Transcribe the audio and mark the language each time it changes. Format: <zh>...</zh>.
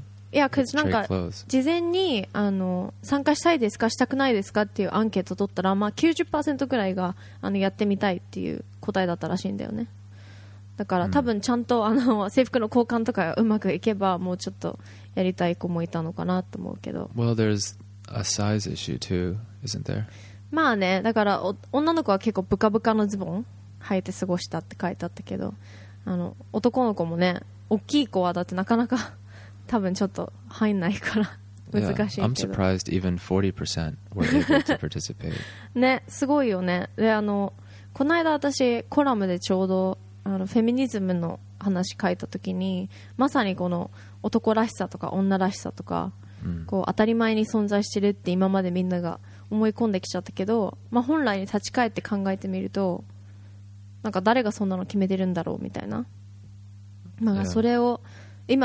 <en>Yeah, because</en> <ja>事前にあの参加したいですか、したくないですかっていうアンケート取ったら、まあ、90% くらいがあのやってみたいっていう答えだったらしいんだよね。だから、mm. 多分ちゃんとあの制服の交換とかうまくいけばもうちょっとやりたい子もいたのかなと思うけど。</ja> <en>Well, there's a size issue too, isn't there?</en> <ja>まあね、だから女の子は結構ブカブカのズボン履いて過ごしたって書いてあったけど、あの男の子もね、大きい子はだってなかなか多分ちょっと入んないから難しいけど。</ja> <en>Yeah, I'm surprised even 40% were able to participate.</en> <ja>ね、すごいよね。で、あのこの間私コラムでちょうどあのフェミニズムの話書いたときに、まさにこの男らしさとか女らしさとか、うん、こう当たり前に存在してるって今までみんなが思い込んできちゃったけど、まあ、本来に立ち返って考えてみると、なんか誰がそんなの決めてるんだろうみたいな、まあ、それを、yeah.</ja>